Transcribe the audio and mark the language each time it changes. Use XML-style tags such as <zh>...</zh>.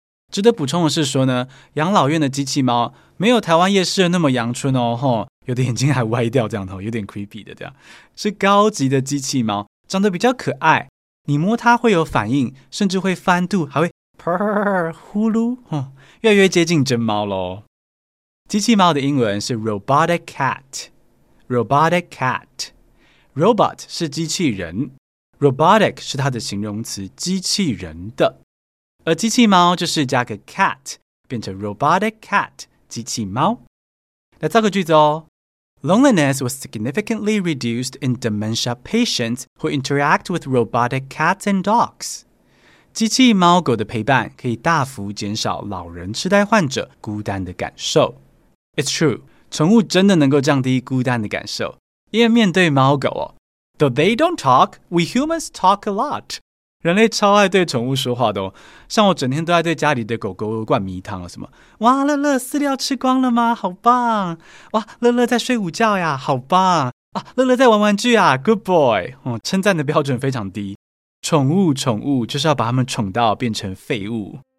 <zh>值得补充的是说呢，养老院的机器猫没有台湾夜市的那么阳春哦，吼，有的眼睛还歪掉这样，有点 creepy 的这样，是高级的机器猫，长得比较可爱，你摸它会有反应，甚至会翻肚，还会噗呼噜，越来越接近真猫咯。机器猫的英文是 robotic cat， robotic cat。 robot 是机器人， robotic 是它的形容词，机器人的。而机器猫就是加个 cat 变成 robotic cat 机器猫。来造个句子哦。</zh> <en>Loneliness was significantly reduced in dementia patients who interact with robotic cats and dogs.</en> <zh>机器猫狗的陪伴可以大幅减少老人痴呆患者孤单的感受。</zh> <en>It's true,</en> <zh>宠物真的能够降低孤单的感受。因为面对猫狗哦，</zh> <en>Though they don't talk, we humans talk a lot.</en> <zh>人类超爱对宠物说话的哦，像我整天都在对家里的狗狗灌迷汤了，什么哇乐乐饲料吃光了吗？好棒！哇乐乐在睡午觉呀，好棒！啊乐乐在玩玩具啊 ，</zh> <en>Good boy！</en> <zh>哦，称赞的标准非常低。宠物就是要把它们宠到变成废物。</zh>